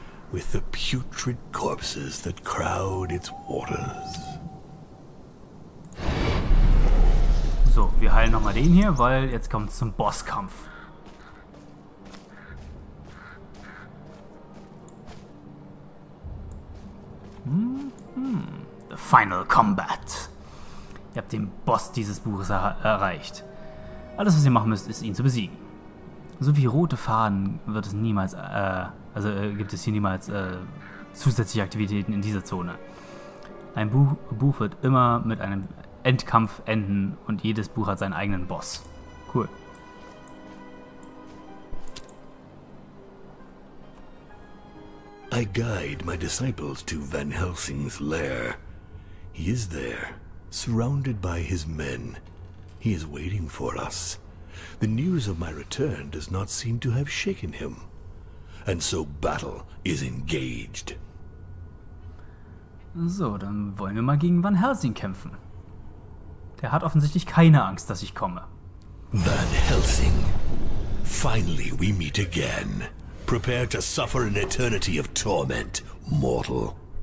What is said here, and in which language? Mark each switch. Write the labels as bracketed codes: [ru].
[en] With the putrid corpses that crowd its waters. [de] So, wir heilen nochmal den hier, weil jetzt kommt es zum Bosskampf. [en] The final combat. [de] Ihr habt den Boss dieses Buches erreicht. Alles, was ihr machen müsst, ist ihn zu besiegen. So wie rote Faden wird es niemals, gibt es hier niemals zusätzliche Aktivitäten in dieser Zone. Ein Buch wird immer mit einem Endkampf enden und jedes Buch hat seinen eigenen Boss. Cool. [en] I guide my disciples to Van Helsing's lair. He is there, surrounded by his men. He is waiting for us. The news of my return does not seem to have shaken him. And so battle is engaged. [de] So, dann wollen wir mal gegen Van Helsing kämpfen. Der hat offensichtlich keine Angst, dass ich komme. [en] Van Helsing, finally we meet again. Prepare to suffer an eternity of torment, mortal.